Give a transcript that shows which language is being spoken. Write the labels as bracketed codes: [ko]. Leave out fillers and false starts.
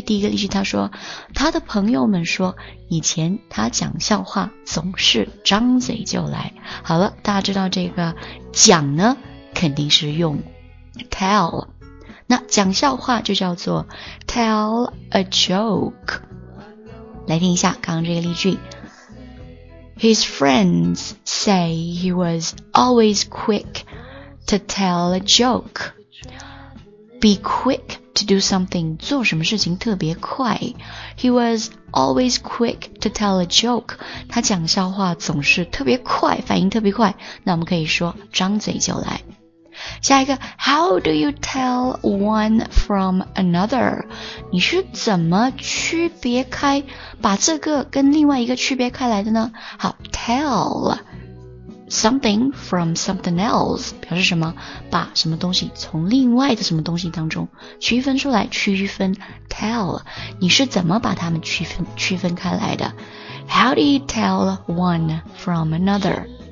[zh] 第一个例句，他说他的朋友们说以前他讲笑话总是张嘴就来。好了，大家知道这个讲呢肯定是用 tell， 那讲笑话就叫做 [en] tell a joke。 [zh] 来听一下刚刚这个例句。 [en] His friends say he was always quick to tell a joke. Be quick to do something, [zh] 做什么事情特别快。 [en] He was always quick to tell a joke. [zh] 他讲笑话总是特别快，反应特别快。那我们可以说张嘴就来。下一个， [en] How do you tell one from another? [zh] 你是怎么区别开，把这个跟另外一个区别开来的呢？好， tell [en] something from something else [zh] 表示什么把什么东西从另外的什么东西当中区分出来区分 tell 你是怎么把它们区分开来的 [en] How do you tell one from another